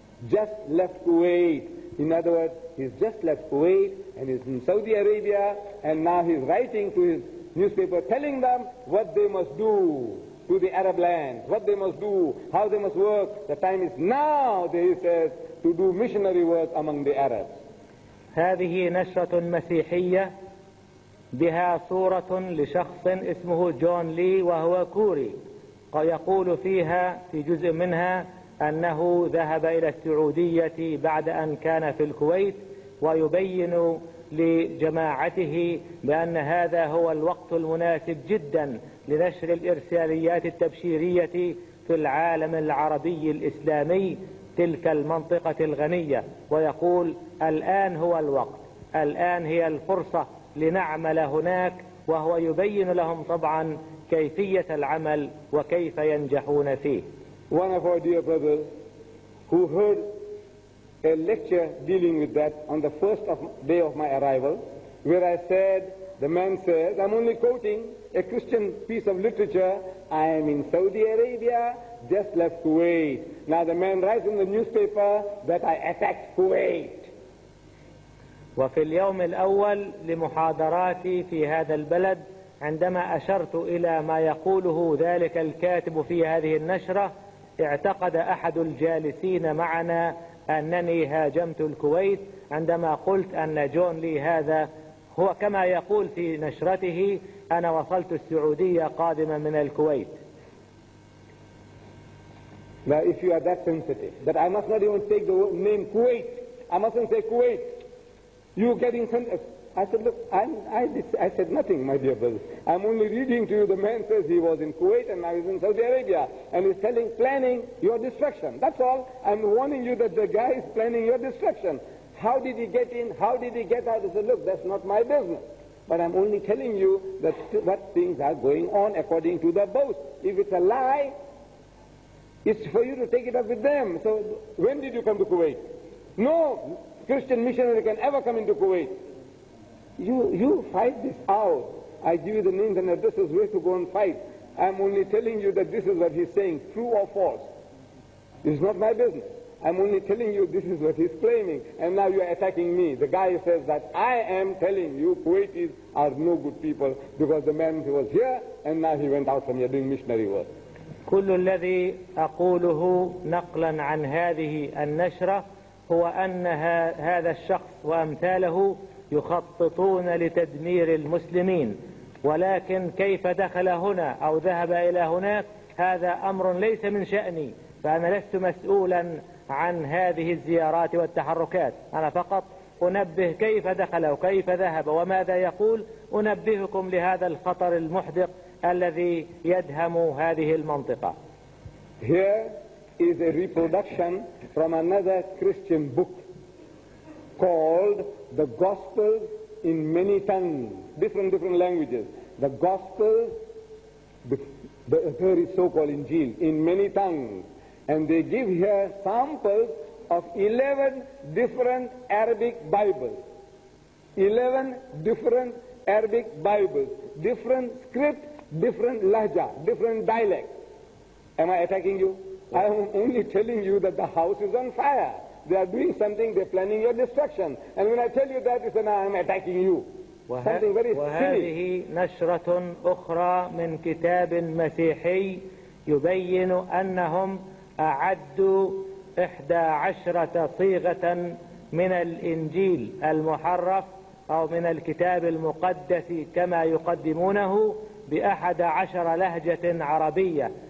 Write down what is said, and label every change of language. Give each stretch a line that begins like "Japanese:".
English: Just left Kuwait. In other words, he's just left Kuwait and he's in Saudi Arabia and now he's writing to his newspaper telling them what they must do to the Arab land, what they must do, how they must work. The time is now, he says, to do missionary work among the Arabs.
Arabic: هذه نشرة مسيحية بها صورة لشخص اسمه جون لي وهو كوري ويقول فيها في جزء منها أنه ذهب إلى السعودية بعد أن كان في الكويت ويبين لجماعته بأن هذا هو الوقت المناسب جدا لنشر الإرساليات التبشيرية في العالم العربي الإسلامي تلك المنطقة الغنية ويقول الآن هو الوقت الآن هي الفرصة لنعمل هناك وهو يبين لهم طبعا كيفية العمل وكيف ينجحون فيه.
English: One of our dear brothers who heard a lecture dealing with that on the first of day of my arrival, where I said, the man says, I'm only quoting a Christian piece of literature, I am in Saudi Arabia, just left Kuwait. Now the man writes in the newspaper that I attacked Kuwait. وفي اليوم الأول لمحاضراتي في هذا البلد عندما أشرت إلى ما يقوله ذلك الكاتب في هذه النشرة اعتقد أحد الجالسين معنا أنني هاجمت الكويت عندما قلت أن جون لي هذا هو كما يقول في نشرته أنا وصلت السعودية قادما من الكويت. Now if you are that sensitive that I must not even take the name Kuwait, I mustn't say Kuwait, you getting sensitive. I said look, I said nothing my dear brother. I'm only reading to you, the man says he was in Kuwait and now he's in Saudi Arabia and he's telling, planning your destruction. That's all. I'm warning you that the guy is planning your destruction. How did he get in? How did he get out? I said, look, that's not my business. But I'm only telling you that what things are going on according to the boast. If it's a lie, it's for you to take it up with them. So when did you come to Kuwait? No Christian missionary can ever come into Kuwait. You fight this out. I give you the names and addresses where to go and fight. I'm only telling you that this is what he's saying, true or false. It's not my business. I'm only telling you this is what he's claiming. And now you're attacking me. The guy says that I am telling you Kuwaitis are no good people because the man who was here and now he went out from here doing missionary work.
Arabic: كل الذي أقوله نقلا عن هذه النشرة هو أن هذا الشخص وأمثاله يخططون لتدمير المسلمين ولكن كيف دخل هنا أو ذهب إلى هناك هذا أمر ليس من شأني فأنا لست مسؤولا عن هذه الزيارات والتحركات أنا فقط أنبه كيف دخل وكيف ذهب وماذا يقول أنبهكم لهذا الخطر المحدق الذي يدهم هذه المنطقة.
English: Here is a reproduction from another Christian book called The Gospels in many tongues, different languages. The Gospels, the so-called Injil, in many tongues. And they give here samples of 11 different Arabic Bibles. 11 different Arabic Bibles. Different script, different lahja, different dialect. Am I attacking you? I am only telling you that the house is on fire. They are doing something, they are planning your destruction. And when I tell you that, you say, now I am attacking you. Something very silly.
Arabic: وهذه نشرة أخرى من كتاب مسيحي يبين أنهم أعدوا 11 صيغة من الإنجيل المحرف أو من الكتاب المقدس كما يقدمونه بأحد عشر لهجة عربية